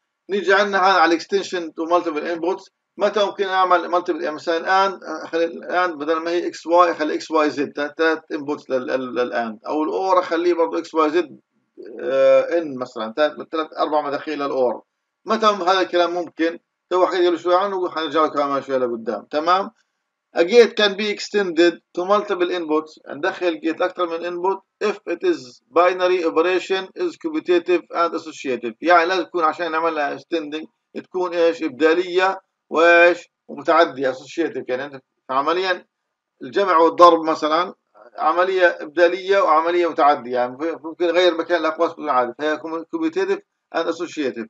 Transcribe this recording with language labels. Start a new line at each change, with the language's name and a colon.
Arabic: نيجي عندنا هنا على الاكستنشن تو مالتيبل انبوتس. متى ممكن اعمل مالتيبل؟ يعني مثلا الان خلي الان بدل ما هي اكس واي خلي اكس واي زد ثلاث انبوتس للان، او الاور اخليه برضه اكس واي زد ان مثلا ثلاث اربع مداخيل للاور. متى هذا الكلام ممكن؟ تو حكيت له شوي عنه وحنرجع له كمان شوي لقدام. تمام،
English: A gate can be extended to multiple inputs.
Arabic: ندخل
English: gate
Arabic: أكثر من
English: input if it is binary operation is commutative and associative.
Arabic: يعني لازم تكون عشان نعملها extending تكون إيش إبدالية وإيش ومتعدية associative. يعني عمليا الجمع والضرب مثلا عملية إبدالية وعملية متعدية، يعني ممكن غير مكان الأقواس بدون عادة، فهي
English: commutative and associative.